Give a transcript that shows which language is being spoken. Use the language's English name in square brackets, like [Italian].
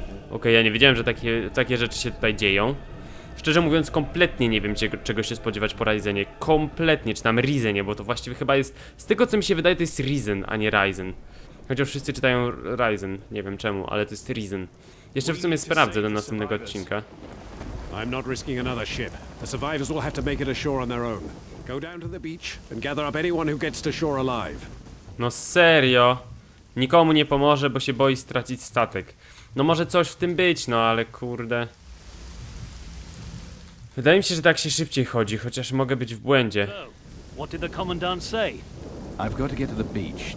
[Polish] Okej, ja nie wiedziałem, że takie rzeczy się tutaj dzieją. Szczerze mówiąc, kompletnie nie wiem, czego się spodziewać po Ryzenie. Kompletnie, czy tam Ryzenie, bo to właściwie chyba jest... Z tego, co mi się wydaje, to jest Ryzen, a nie Ryzen. Chociaż wszyscy czytają Ryzen, nie wiem czemu, ale to jest Ryzen. Jeszcze w sumie sprawdzę do następnego odcinka. [English] I'm not risking another ship. The survivors will have to make it ashore on their own. Go down to the beach and gather up anyone who gets to shore alive. [Polish] No serio? Nikomu nie pomoże, bo się boi stracić statek. No może coś w tym być, no ale kurde. Wydaje mi się, że tak się szybciej chodzi, chociaż mogę być w błędzie. [English] What did the commandant say? I've got to get to the beach.